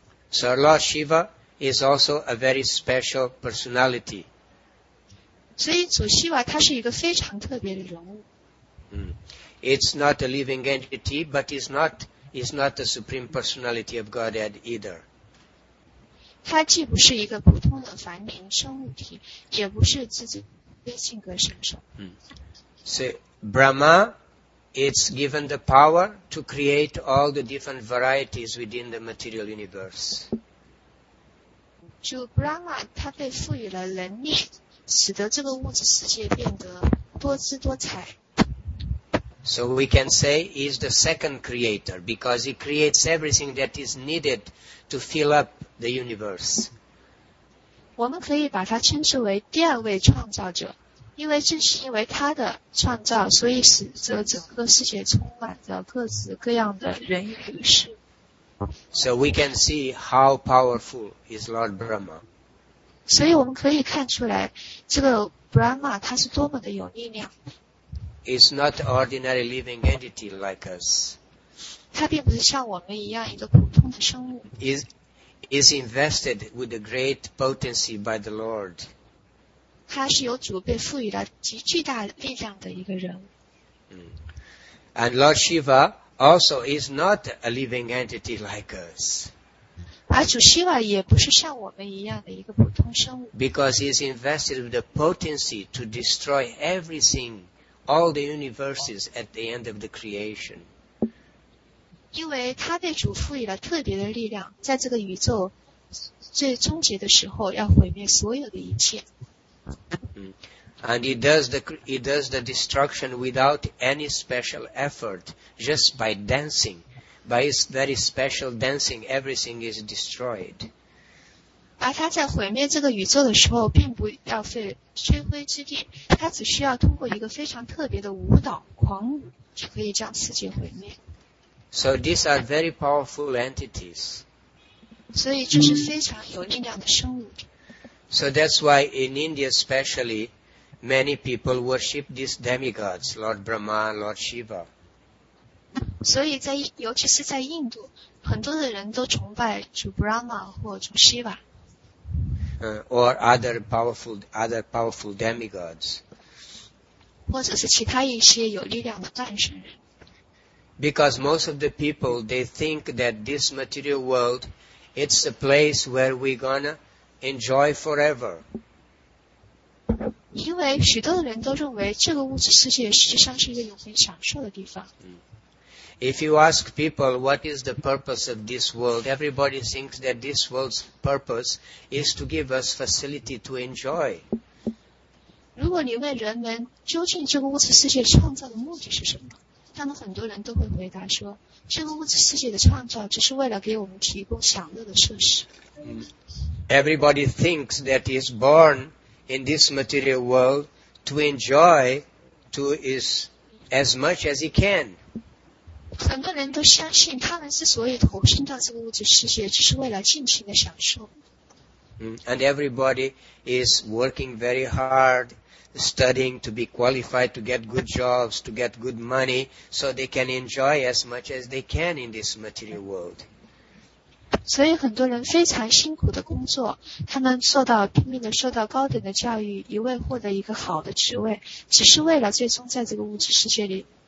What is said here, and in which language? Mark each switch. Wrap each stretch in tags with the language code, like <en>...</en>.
<en>So Lord Shiva is also a very special personality.</en> <zh>所以主 Shiva 他是一个非常特别的人物。</zh> <en>It's not a living entity, but is not the supreme personality of Godhead either.</en> <zh>他既不是一个普通的凡灵生物体，也不是自己的性格神兽。</zh> <en>So Brahma, it's given the power to create all the different varieties within the material universe.</en> <zh>主 Brahma 他被赋予了能力，使得这个物质世界变得多姿多彩。</zh> <en>So we can say he is the second creator because he creates everything that is needed to fill up the universe.</en> <zh>我们可以把它称之为第二位创造者，因为正是因为他的创造，所以使得整个世界充满着各式各样的人与事。</zh> <en>So we can see how powerful is Lord Brahma.</en> <zh>所以我们可以看出来，这个 Brahma 他是多么的有力量。</zh> <en>Is not an ordinary living entity like us.</en> <zh>他并不是像我们一样一个普通的生物。</zh> <en>Is invested with a great potency by the Lord.</en> <zh>他是由主被赋予了极巨大力量的一个人。</zh> <en>And Lord Shiva also is not a living entity like us.</en> <zh>而主 Shiva 也不是像我们一样的一个普通生物。</zh> <en>Because he is invested with the potency to destroy everything. All the universes at the end of the creation.</en> <zh>因为他被主赋予了特别的力量，在这个宇宙最终结的时候，要毁灭所有的一切。</zh> <en>And he does the destruction without any special effort, just by dancing. By his very special dancing, everything is destroyed.</en> <zh>而他在毁灭这个宇宙的时候，并不要费。吹灰之地，他只需要通过一个非常特别的舞蹈狂舞，就可以将世界毁灭。</zh> <en>So these are very powerful entities.</en> <zh>所以这是非常有力量的生物。</zh> <en>So that's why in India especially, many people worship these demigods, Lord Brahma, Lord Shiva.</en> <zh>所以在尤其是在印度，很多的人都崇拜主 Brahma 或主 Shiva。</zh> <en>Or other powerful demigods.</en> <zh>或者是其他一些有力量的战神。</zh> <en>Because most of the people, they think that this material world, it's a place where we're gonna enjoy forever.</en> <zh>因为许多的人都认为这个物质世界实际上是一个永恒享受的地方。</zh> <en>If you ask people what is the purpose of this world, everybody thinks that this world's purpose is to give us facility to enjoy.</en> <zh>如果你问人们究竟这个物质世界创造的目的是什么，他们很多人都会回答说，这个物质世界的创造只是为了给我们提供享乐的设施。</zh> <en>Everybody thinks that he is born in this material world to enjoy to is as much as he can.</en> <zh>很多人都相信他们之所以投身到这个物质世界只是为了尽情的享受。</zh> <en>And everybody is working very hard, studying to be qualified, to get good jobs, to get good money, so they can enjoy as much as they can in this material world.</en> <zh>所以很多人非常辛苦的工作，他们拼命的受到高等的教育，以为获得一个好的职位，只是为了最终在这个物质世界里</zh>